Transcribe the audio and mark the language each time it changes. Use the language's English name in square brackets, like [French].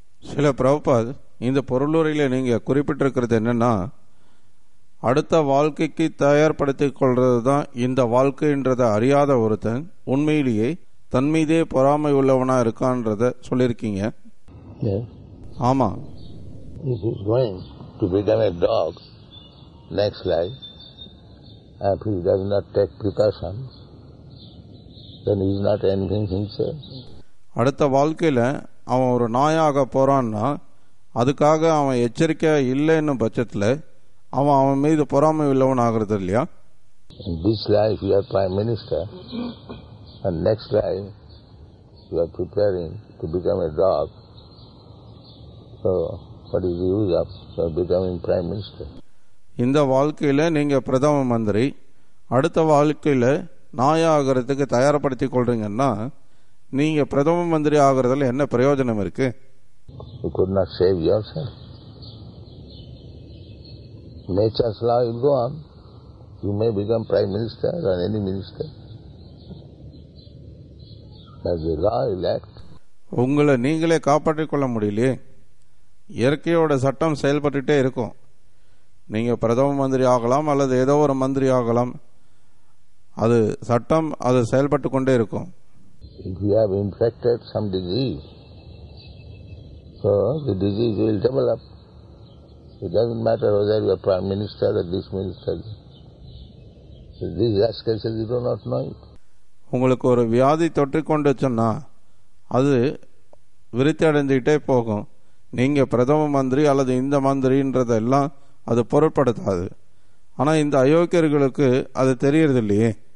[Tamil] சில பிரபுபாத், இந்த பொருளுரையில நீங்க குறிப்பிட்டிருக்கிறது என்னன்னா, அடுத்த வாழ்க்கைக்கு தயார்படுத்திக் கொள்றதுதான் இந்த வாழ்க்கைன்றதை அறியாத ஒருத்தன் உண்மையிலேயே தன் மீதே பொறாமை உள்ளவனா இருக்கான்றத சொல்லிருக்கீங்க. ஆமா, [English] if he's going to become a dog next life, if he does not take precaution, then he is not envying himself. [Tamil] அடுத்த வாழ்க்கையில அவன் ஒரு நாயாக போறான்னா, அதுக்காக அவன் எச்சரிக்கையா இல்லைன்னு பட்சத்துல அவன் அவன் மீது பொறாமை உள்ளவன் ஆகிறது இல்லையா? [English] In this life you are prime minister, and next life you are preparing to become a dog. So what is the use of becoming prime minister? [Tamil] இந்த வாழ்க்கையில நீங்க பிரதம மந்திரி, அடுத்த வாழ்க்கையில நாயாகிறதுக்கு தயார்படுத்திக் கொள்றீங்கன்னா, நீங்க பிரதம மந்திரி ஆகுறதுல என்ன பிரயோஜனம் இருக்கு? [English] You could not save yourself. Nature's law will go on. You may become prime minister or any minister. That's the law will act. [Tamil] உங்களை நீங்களே காப்பாற்றிக் கொள்ள முடியலையே. இயற்கையோட சட்டம் செயல்பட்டுட்டே இருக்கும். நீங்க பிரதம மந்திரி ஆகலாம் அல்லது ஏதோ ஒரு மந்திரி ஆகலாம், அது சட்டம் அது செயல்பட்டு கொண்டே இருக்கும். [English] If you have infected some disease, so the disease will develop. It doesn't matter whether you are prime minister or this minister. So these rascals, you do not know it. [Tamil] உங்களுக்கு ஒரு வியாதி தொற்றிக்கொண்டுச்சுன்னா அது விருத்தி அடைஞ்சிட்டே போகும். நீங்க பிரதம மந்திரி அல்லது இந்த மந்திரின்றதெல்லாம் அது பொருட்படுத்தாது. ஆனா இந்த அயோக்கியர்களுக்கு அது தெரியறது இல்லையே.